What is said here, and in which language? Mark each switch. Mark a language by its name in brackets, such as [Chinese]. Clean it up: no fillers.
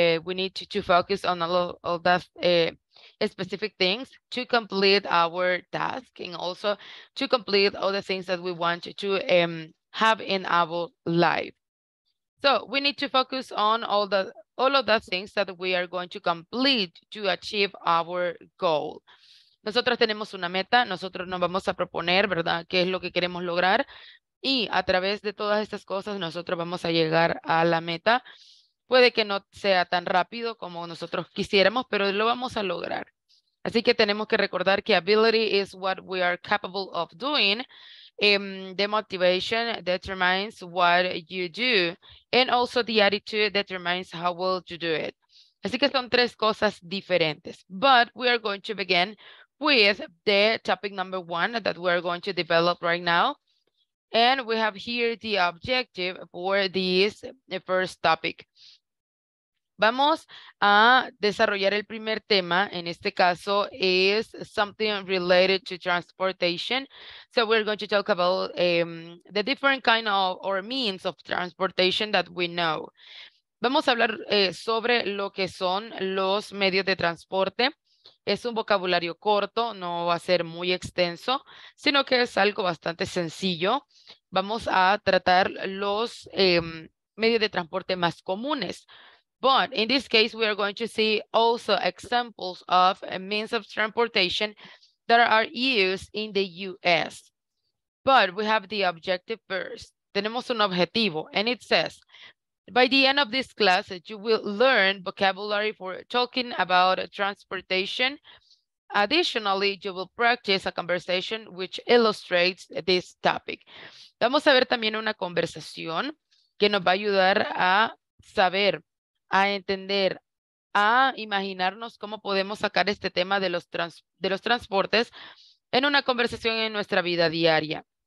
[English] We need to focus on all that specific things to complete our task and also to complete all the things that we want to have in our life. So we need to focus on all of the things that we are going to complete to achieve our goal. [Spanish] Nosotros tenemos una meta, nosotros nos vamos a proponer, ¿verdad? ¿Qué es lo que queremos lograr? Y a través de todas estas cosas nosotros vamos a llegar a la meta. Puede que no sea tan rápido como nosotros quisiéramos, pero lo vamos a lograr. Así que tenemos que recordar que [English] ability is what we are capable of doing. The motivation determines what you do. And also the attitude determines how well you do it. [Spanish] Así que son tres cosas diferentes. [English] But we are going to begin with the topic number one that we are going to develop right now. And we have here the objective for this first topic. [Spanish] Vamos a desarrollar el primer tema. En este caso, [English] is something related to transportation. So we're going to talk about the different kind of or means of transportation that we know. [Spanish] Vamos a hablar sobre lo que son los medios de transporte. Es un vocabulario corto, no va a ser muy extenso, sino que es algo bastante sencillo. Vamos a tratar los medios de transporte más comunes. [English] But in this case, we are going to see also examples of means of transportation that are used in the U.S. But we have the objective first. [Spanish] Tenemos un objetivo, [English] and it says, by the end of this class, you will learn vocabulary for talking about transportation. Additionally, you will practice a conversation which illustrates this topic. [Spanish] Vamos a ver también una conversación que nos va a ayudar a saber, a entender, a imaginarnos cómo podemos sacar este tema de los transportes en una conversación en nuestra vida diaria.